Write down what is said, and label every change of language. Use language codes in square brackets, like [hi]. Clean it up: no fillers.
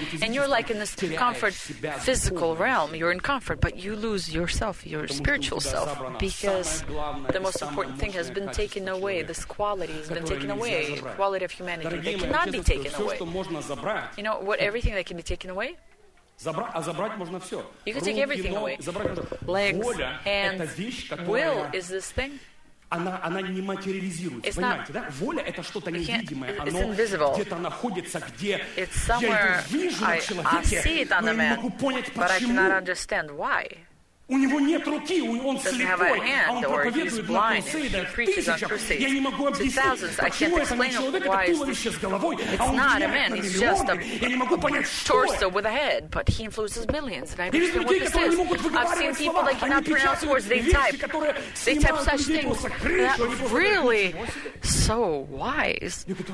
[en] And you're like in this comfort physical realm, you're in comfort, but you lose yourself, your spiritual self, because the most important thing has been taken away. This quality has been taken away, quality of humanity that cannot be taken away. You know what, everything that can be taken away, you can take everything away. Legs, hands, will is this thing. [ru] Она не материализируется, [en] it's [ru] понимаете, [en] not, [ru] да? Воля — это что-то невидимое, оно где-то находится, где я ее вижу в человеке, но не могу понять, почему. У него нет руки, он слепой, а он проповедует на крусейдах тысячах. Я не могу объяснить, почему это не человек, это туловище с головой, а он влияет на миллионы. Я не могу понять, что это. [en] With a head, but he influences millions. And I understand what this is. I've seen people that cannot pronounce words, they type such things that really so wise.